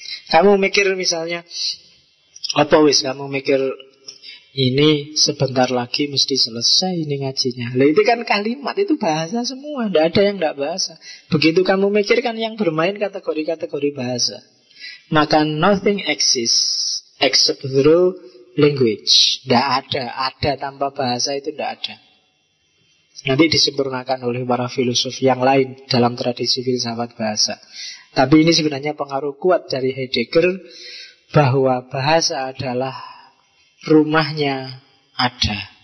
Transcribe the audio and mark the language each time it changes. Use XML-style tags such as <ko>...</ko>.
<id>Kamu mikir misalnya,</id> <jv>apa wis</jv> <id>kamu mikir, ini sebentar lagi mesti selesai ini ngajinya. Lah itu kan kalimat, itu bahasa semua. Tidak ada yang tidak bahasa. Begitu kamu mikir kan yang bermain kategori-kategori bahasa.</id> <en>Maka nothing exists except through language.</en> <id>Tidak ada tanpa bahasa itu tidak ada. Nanti disempurnakan oleh para filosof yang lain dalam tradisi filsafat bahasa. Tapi ini sebenarnya pengaruh kuat dari Heidegger, bahwa bahasa adalah rumahnya ada.</id>